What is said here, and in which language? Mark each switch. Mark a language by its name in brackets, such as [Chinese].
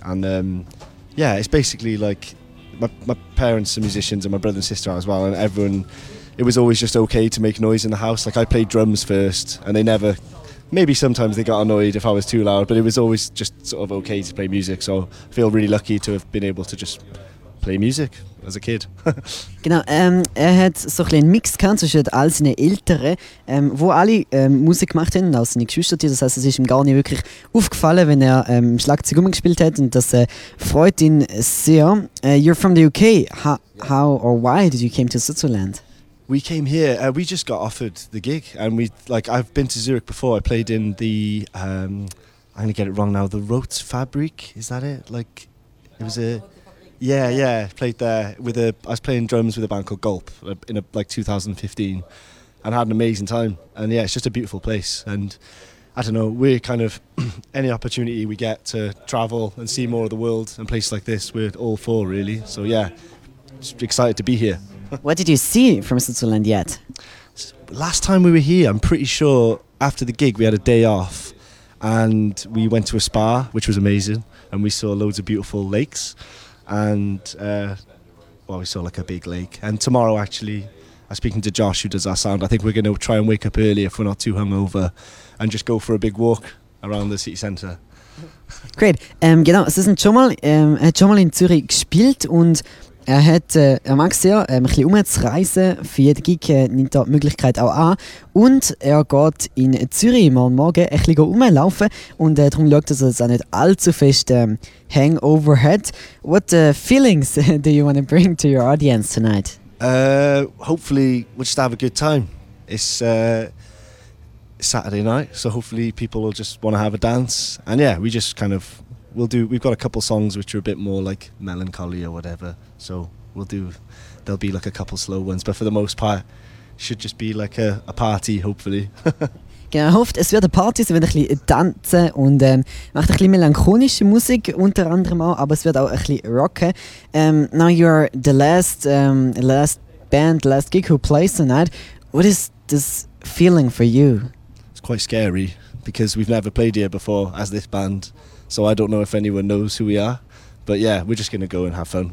[English] And yeah, it's basically like my parents are musicians and my brother and sister are as well, and everyone, it was always just okay to make noise in the house. Like I played drums first, and they never, maybe sometimes they got annoyed if I was too loud, but it was always just sort of okay to play music. So I feel really lucky to have been able to just play music as a kid. [German] Genau, er hat so ein Mix gehabt zwischen all seinen Eltern, wo alle Musik gemacht haben, auch seine Geschwister. Das heisst, es ist ihm gar nicht wirklich aufgefallen, wenn er Schlagzeug rumgespielt hat, und das freut ihn sehr. [English] You're from the UK. How or why did you come to Switzerland? We came here, we just got offered the gig, and I've been to Zurich before. I played in the, I'm going to get it wrong now, the Rote Fabrik, is that it? Like, it was a... Yeah, played there with I was playing drums with a band called Gulp in like 2015, and had an amazing time. And yeah, it's just a beautiful place. And I don't know, we're kind of, any opportunity we get to travel and see more of the world and places like this, we're all for really. So yeah, just excited to be here. What did you see from Switzerland yet? Last time we were here, I'm pretty sure after the gig, we had a day off and we went to a spa, which was amazing. And we saw loads of beautiful lakes. And we saw like a big lake. And tomorrow, actually, I'm speaking to Josh, who does our sound. I think we're going to try and wake up early if we're not too hungover and just go for a big walk around the city centre. Great. [German] Genau, es ist schon mal in Zürich gespielt, und er mag sehr, ein bisschen umzureisen. Für jeden Gig nimmt er die Möglichkeit auch an. Und er geht in Zürich morgen ein bisschen rumlaufen. Und darum schaut, dass er es auch nicht allzu fest Hangover hat. [English] What feelings do you want to bring to your audience tonight? Hopefully we'll just have a good time. It's Saturday night, so hopefully people will just want to have a dance. And yeah, we just kind of... We've got a couple songs which are a bit more like melancholy or whatever. So we'll do, there'll be like a couple slow ones. But for the most part, should just be like a party, hopefully. [German] Genau, ich hoffe, es wird eine Party, sie wird ein bisschen tanzen und macht ein bisschen melancholische Musik unter anderem auch, aber es wird auch ein bisschen rocken. [English] Now you're the last gig who plays tonight. What is this feeling for you? It's quite scary because we've never played here before as this band. So I don't know if anyone knows who we are, but yeah, we're just going to go and have fun.